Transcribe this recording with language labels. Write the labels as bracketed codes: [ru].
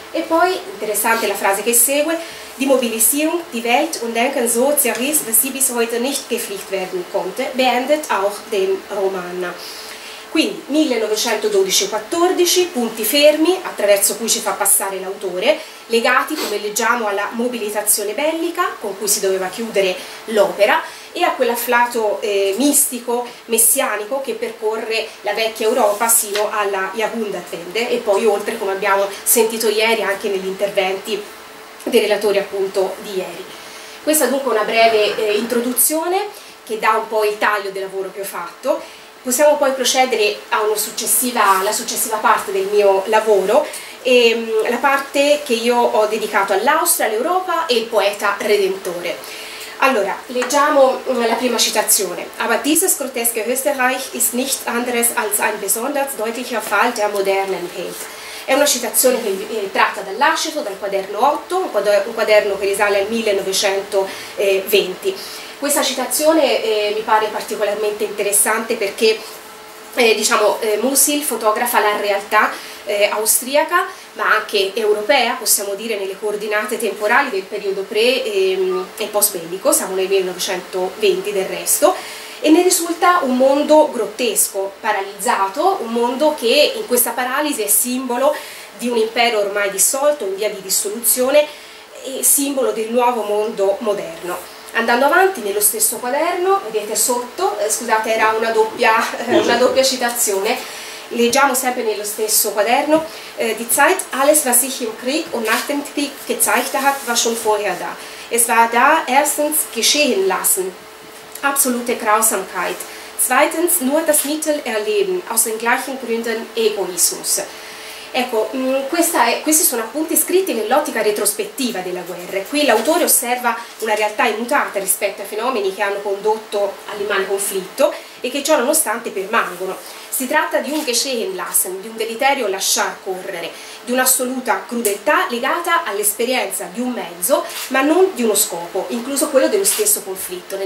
[it] E poi, interessante la frase che segue, [de] die Mobilisierung, die Welt und Denken so zerriss, dass sie bis heute nicht gepflegt werden konnte, beendet auch den Roman. [it] Quindi, 1912-14, punti fermi attraverso cui ci fa passare l'autore, legati, come leggiamo, alla mobilitazione bellica con cui si doveva chiudere l'opera e a quell'afflato mistico, messianico, che percorre la vecchia Europa sino alla Jahrhundertwende e poi oltre, come abbiamo sentito ieri anche negli interventi dei relatori appunto di ieri. Questa dunque è una breve introduzione che dà un po' il taglio del lavoro che ho fatto. Possiamo poi procedere alla successiva parte del mio lavoro, e la parte che io ho dedicato all'Austria, all'Europa e il poeta redentore. Allora, leggiamo la prima citazione. [de] Aber dieses groteske Österreich ist nichts anderes als ein besonders deutlicher Fall der modernen Welt. [it] È una citazione che è tratta dall'Lascito, dal quaderno 8, un quaderno che risale al 1920. Questa citazione mi pare particolarmente interessante perché Musil fotografa la realtà austriaca, ma anche europea, possiamo dire, nelle coordinate temporali del periodo pre e post bellico, siamo nel 1920 del resto, e ne risulta un mondo grottesco, paralizzato, un mondo che in questa paralisi è simbolo di un impero ormai dissolto, in via di dissoluzione, e simbolo del nuovo mondo moderno. Andando avanti, nello stesso quaderno, vedete sotto, scusate, era una doppia citazione, leggiamo sempre nello stesso quaderno: [de] Die Zeit, alles was sich im Krieg und nach dem Krieg gezeigt hat, war schon vorher da. Es war da erstens geschehen lassen, absolute Grausamkeit. Zweitens nur das Mittel erleben, aus den gleichen Gründen Egoismus. [it] Ecco, questi sono appunti scritti nell'ottica retrospettiva della guerra. Qui l'autore osserva una realtà immutata rispetto ai fenomeni che hanno condotto all'immane conflitto e che ciò nonostante permangono. Si tratta di un geschehen lassen, di un deleterio lasciar correre, di un'assoluta crudeltà legata all'esperienza di un mezzo, ma non di uno scopo, incluso quello dello stesso conflitto.